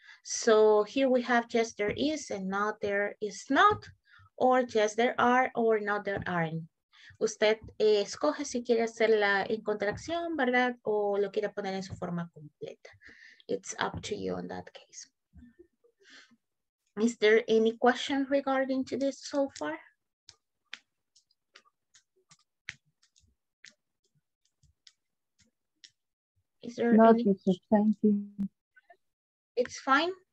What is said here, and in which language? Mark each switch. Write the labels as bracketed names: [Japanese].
[English] So here we have yes, there is and not there is not. Or yes, there are or no, there aren't. [Spanish] Usted escoge si quiere hacer la contracción, ¿verdad? O lo quiere poner en su forma completa. [English] It's up to you in that case. Is there any question regarding to this so far? Is there no, any? Teacher, thank you. It's fine?